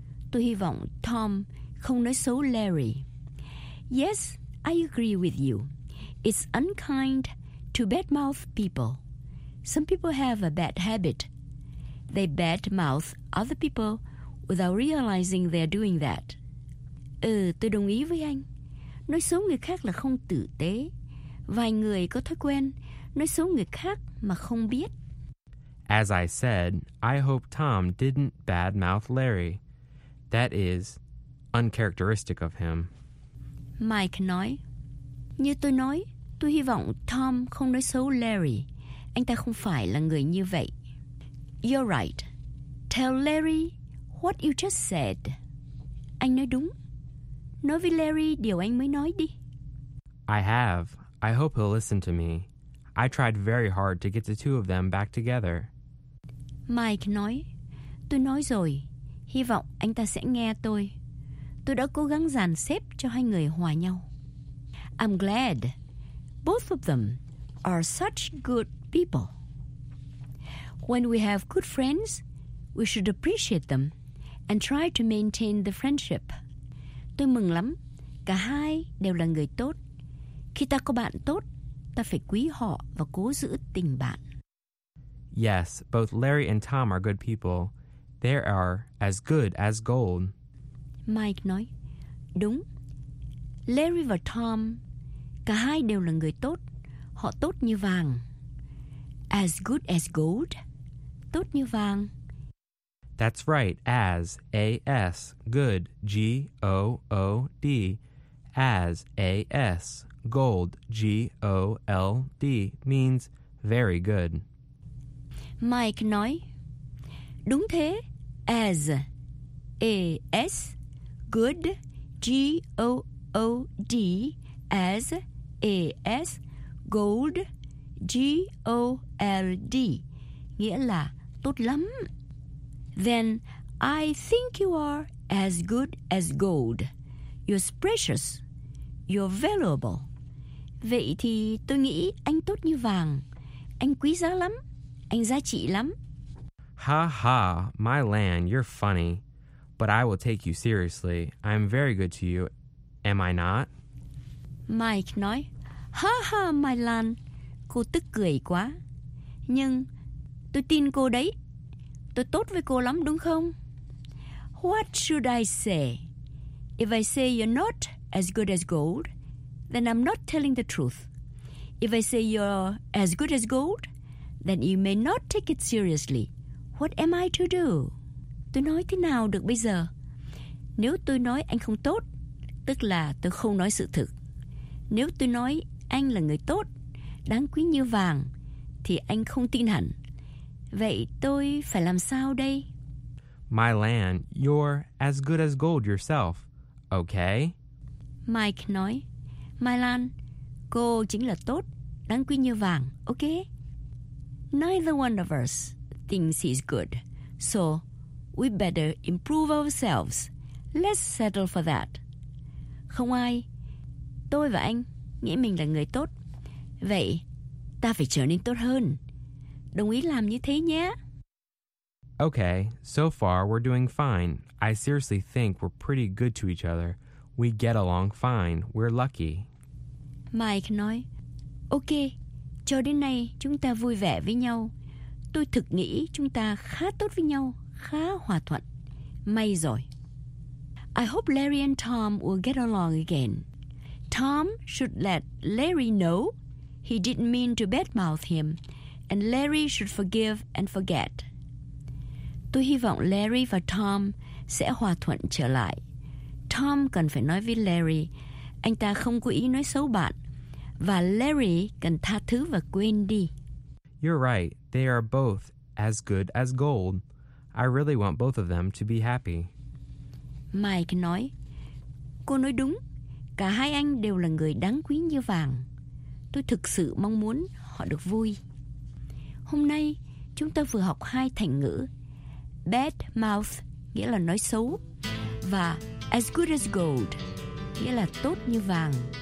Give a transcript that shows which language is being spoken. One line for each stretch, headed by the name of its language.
Vietnamese: Tôi hy vọng Tom không nói xấu Larry.
English: Yes, I agree with you. It's unkind to badmouth people. Some people have a bad habit. They badmouth other people without realizing they're doing that.
Vietnamese: Ừ, tôi đồng ý với anh. Nói xấu người khác là không tử tế. Vài người có thói quen nói xấu người khác mà không biết.
English: As I said, I hope Tom didn't badmouth Larry. That is uncharacteristic of him.
Vietnamese: Mike nói, như tôi nói, tôi hy vọng Tom không nói xấu Larry. Anh ta không phải là người như vậy.
English: You're right. Tell Larry what you just said.
Vietnamese: Anh nói đúng. Nói với Larry điều anh mới nói đi.
English: I have. I hope he'll listen to me. I tried very hard to get the two of them back together.
Vietnamese: Mike nói, tôi nói rồi. Hy vọng anh ta sẽ nghe tôi. Tôi đã cố gắng dàn xếp cho hai người hòa nhau.
English: I'm glad. Both of them are such good people. When we have good friends, we should appreciate them and try to maintain the friendship.
Vietnamese: Tôi mừng lắm. Cả hai đều là người tốt. Khi ta có bạn tốt, ta phải quý họ và cố giữ tình bạn.
English: Yes, both Larry and Tom are good people. They are as good as gold.
Vietnamese: Mike nói, đúng. Larry và Tom, cả hai đều là người tốt. Họ tốt như vàng.
English: As good as gold.
Vietnamese: Tốt như vàng.
English: That's right. As, A-S, good, G-O-O-D. As, A-S, gold, G-O-L-D, means very good.
Vietnamese: Mike nói, đúng thế,
English: as, A-S, good, G-O-O-D, as, A-S, gold, G-O-L-D,
Vietnamese: nghĩa là tốt lắm.
English: Then I think you are as good as gold. You're precious. You're valuable.
Vietnamese: Vậy thì tôi nghĩ anh tốt như vàng. Anh quý giá lắm. Anh giá trị lắm.
English: Ha ha, my land, you're funny. But I will take you seriously. I am very good to you, am I not?
Vietnamese: Mike nói, ha ha,
English: my land.
Vietnamese: Cô tức cười quá. Nhưng tôi tin cô đấy. Tôi tốt với cô lắm, đúng không?
English: What should I say? If I say you're not as good as gold, then I'm not telling the truth. If I say you're as good as gold, then you may not take it seriously. What am I to do?
Vietnamese: Tôi nói thế nào được bây giờ? Nếu tôi nói anh không tốt, tức là tôi không nói sự thực. Nếu tôi nói anh là người tốt, đáng quý như vàng, thì anh không tin hẳn. Vậy tôi phải làm sao đây?
English: My land, you're as good as gold yourself, okay?
Vietnamese: Mike nói,
English: My land,
Vietnamese: cô chính là tốt, đáng quý như vàng, okay?
English: Neither one of us thinks he's good, so we better improve ourselves. Let's settle for that.
Vietnamese: Không ai, tôi và anh, nghĩ mình là người tốt. Vậy, ta phải trở nên tốt hơn. Đồng ý làm như thế nhé.
English: Okay, so far we're doing fine. I seriously think we're pretty good to each other. We get along fine. We're lucky.
Vietnamese: Mike nói, okay, cho đến nay chúng ta vui vẻ với nhau. Tôi thực nghĩ chúng ta khá tốt với nhau, khá hòa thuận. May rồi.
English: I hope Larry and Tom will get along again. Tom should let Larry know he didn't mean to badmouth him. And Larry should forgive and forget.
Vietnamese: Tôi hy vọng Larry và Tom sẽ hòa thuận trở lại. Tom cần phải nói với Larry, anh ta không có ý nói xấu bạn. Và Larry cần tha thứ và quên đi.
English: You're right. They are both as good as gold. I really want both of them to be happy.
Vietnamese: Mike nói, cô nói đúng. Cả hai anh đều là người đáng quý như vàng. Tôi thực sự mong muốn họ được vui. Hôm nay, chúng ta vừa học hai thành ngữ.
English: Bad mouth,
Vietnamese: nghĩa là nói xấu. Và
English: as good as gold,
Vietnamese: nghĩa là tốt như vàng.